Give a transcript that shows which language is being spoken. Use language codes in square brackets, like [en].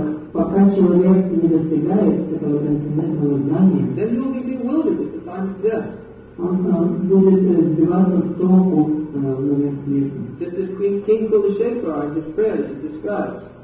[ru] Пока человек не достигает этого трансцендентного знания, [en] then he will be bewildered at the time of death. [ru] Он будет сбиваться с толку в момент смерти. [en] That this queen King Kulashekhar in his prayers describes.